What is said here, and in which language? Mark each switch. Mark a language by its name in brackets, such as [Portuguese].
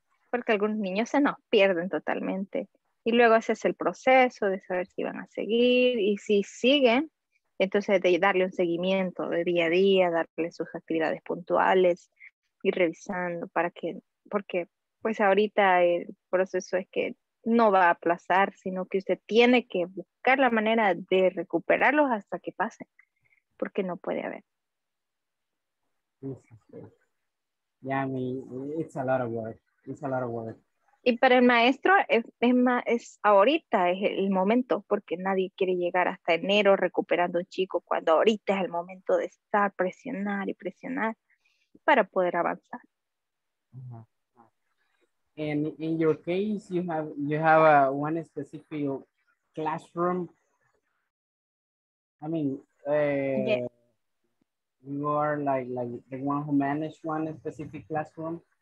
[Spanish] Porque algunos niños se nos pierden totalmente. Y luego ese es el proceso de saber si van a seguir y si siguen, entonces de darle un seguimiento de día a día, darle sus actividades puntuales y revisando para que, porque pues ahorita el proceso es que no va a aplazar, sino que usted tiene que buscar la manera de recuperarlos hasta que pasen, porque no puede haber. [English] Yeah, I mean, it's a lot of work. It's a lot of work. [Spanish] Y para el maestro, es ahorita es el momento, porque nadie quiere llegar hasta enero recuperando un chico cuando ahorita es el momento de estar, presionar y presionar para poder avanzar. [English] And in your case, you have one specific classroom. I mean, yes. You are like the one who manage one specific classroom.